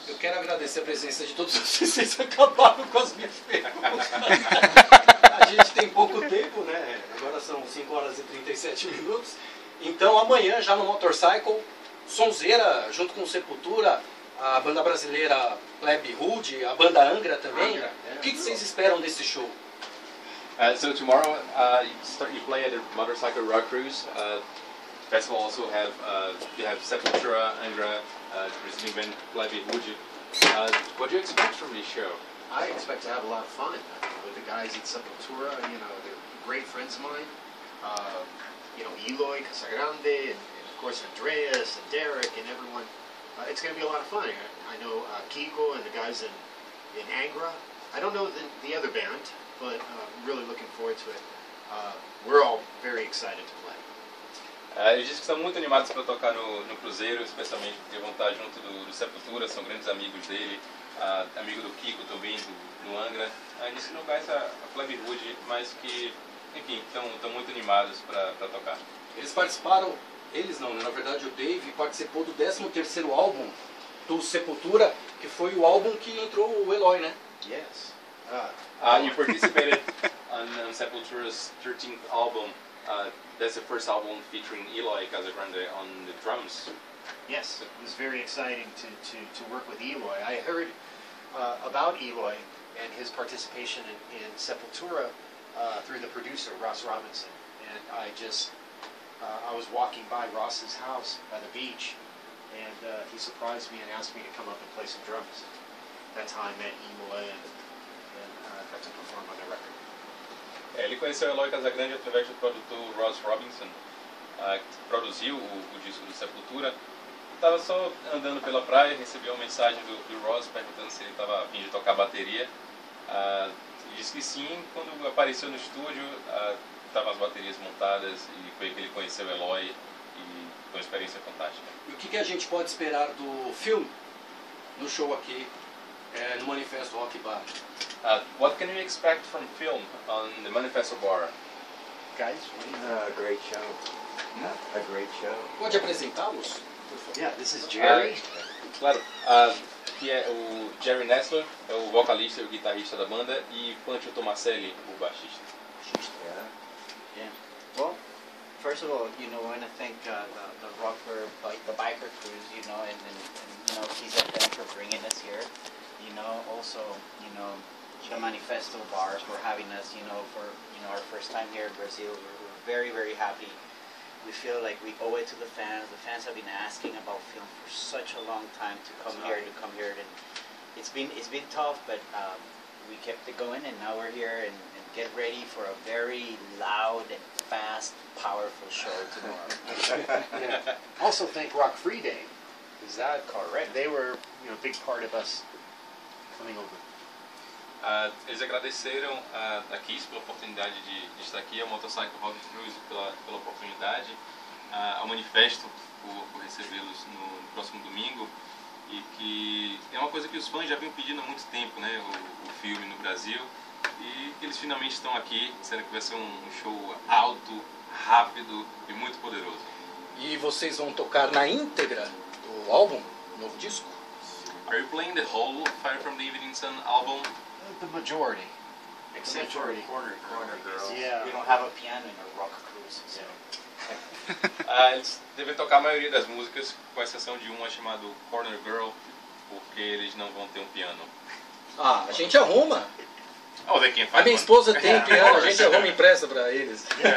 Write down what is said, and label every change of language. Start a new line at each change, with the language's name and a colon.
Portuguese: Eu quero agradecer a presença de todos vocês, vocês acabaram com as minhas perguntas. A gente tem pouco tempo, né? Agora são 5 horas e 37 minutos. Então amanhã, já no Motorcycle, sonzeira, junto com Sepultura, a banda brasileira Pleb Rude, a banda Angra também. O que vocês esperam desse show?
English: So tomorrow you play at the Motorcycle Rock Cruise. Festival also have you have Sepultura, Angra, Brazilian band Pleb Rude. What do you expect from this show? I expect to have a lot of fun with the guys at Sepultura. You know, they're great friends of mine. You know, Eloy Casagrande, and of course Andreas and Derek and everyone. It's going to be a lot of fun. I know Kiko and the guys in Angra. I don't know the other band, but I'm really looking forward to it. We're all very excited to play.
Portuguese: Eu disse que estão muito animados para tocar no Cruzeiro, especialmente porque vão estar junto do Sepultura, são grandes amigos dele, amigo do Kiko também, do Angra. Eu disse que não conhece a Pleb Rude, mas que, enfim, estão muito animados para tocar. Eles participaram. Eles não, né? Na verdade o Dave participou do 13º álbum do Sepultura, que foi o álbum que entrou o Eloy, né?
English: Yes. You participated on Sepultura's 13th album. That's the first album featuring Eloy Casagrande on the drums. Yes, it was very exciting to work with Eloy. I heard about Eloy and his participation in Sepultura through the producer Ross Robinson, and I was walking by Ross's house by the beach, and he surprised me and asked me to come up and play some drums. That's how I met Eloy and got to perform on the record.
Portuguese: Ele conheceu Eloy Casagrande através do produtor Ross Robinson, que produziu o disco do Sepultura. Estava só andando pela praia, recebeu uma mensagem do Ross perguntando se ele estava a fim de tocar bateria. Disse que sim. Quando apareceu no estúdio, estavam as baterias montadas e foi que ele conheceu o Eloy e foi uma experiência fantástica. E o que a gente pode esperar do filme no show aqui no Manifesto Rock Bar?
English: What can you expect from film on the Manifesto Bar? Guys, great show. Yeah. A great show.
Portuguese: Pode apresentá-los?
English: Yeah, this is Jerry.
Portuguese: Claro. Que é o Jerry Nessler, é o vocalista e o guitarrista da banda, e Pancho Tomaselli, o baixista.
English: Well, first of all, you know, I want to thank the rocker, the biker cruise, you know, and you know, he's a thank for bringing us here, you know. Also, you know, the Manifesto bars for having us, you know, for, you know, our first time here in Brazil. We're very, very happy. We feel like we owe it to the fans. The fans have been asking about film for such a long time to come here, to come here. And it's been tough, but we kept it going, and now we're here. And get ready for a very loud and fast, powerful show tomorrow. Yeah. Also, thank Rock Free Day. Is that correct? They were, you know, a big part of us coming over.
Portuguese: Eles agradeceram a Kiss pela oportunidade de estar aqui, a Motorcycle Rock Cruise pela oportunidade, ao Manifesto por recebê-los no próximo domingo, e que é uma coisa que os fãs já vinham pedindo há muito tempo, né, o filme no Brasil, e eles finalmente estão aqui, sendo que vai ser um show alto, rápido e muito poderoso. E vocês vão tocar na íntegra do álbum, novo disco?
English: Are you playing the whole Fire From The Evening Sun album? The majority. Except for Corner Girls. Yeah. We don't have a piano in a rock cruise.
Portuguese: Eles devem tocar a maioria das músicas, com exceção de uma chamada Corner Girl, porque eles não vão ter um piano. Ah, a gente arruma. I'll ver quem faz. A minha esposa tem um piano, a gente arruma impressa para eles.